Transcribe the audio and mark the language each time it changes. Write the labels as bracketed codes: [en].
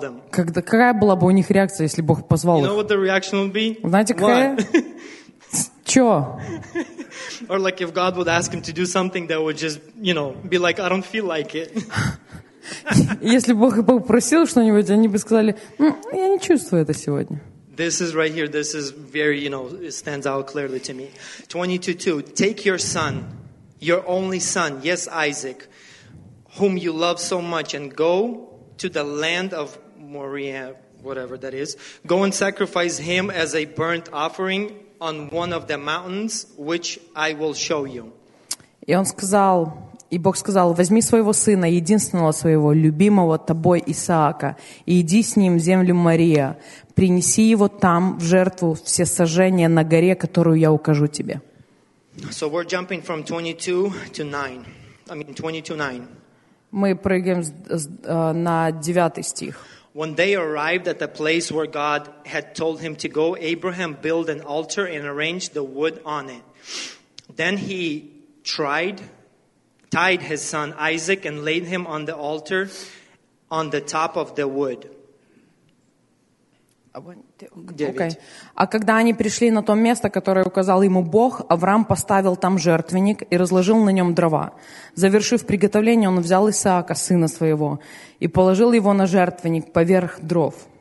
[ru] Какая была бы у них реакция, если Бог позвал их? [en] You know what the reaction would be? [ru] Знаете, какая? Чё? [en] Or like if God would ask him to do something, that would just, you know, be like, I don't feel like it. [ru] Если Бог попросил что-нибудь, они бы сказали, я не чувствую это сегодня. [en] This is right here, this is very, you know, it stands out clearly to me. 22:2, take your son, your only son, yes, Isaac, whom you love so much, and go to the land of Moriah, whatever that is. Go and sacrifice him as a burnt offering on one of the mountains, which I will show you. [ru] И он сказал, и Бог сказал, возьми своего сына, единственного своего, любимого тобой Исаака, и иди с ним в землю Мария. Принеси его там в жертву всесожжение на горе, которую я укажу тебе. [en] So we're jumping from 22 to 9. I mean 22:9. [ru] Мы прыгаем на 9 стих. [en] When they arrived at the place where God had told him to go, Abraham built an altar and arranged the wood on it. Then he tied his son Isaac and laid him on the altar on the top of the wood. Okay. [ru] А когда они пришли на то место, которое указал ему Бог, Авраам поставил там жертвенник и разложил на нем дрова. Завершив приготовление, он взял Исаака, сына своего, и положил его на жертвенник поверх дров.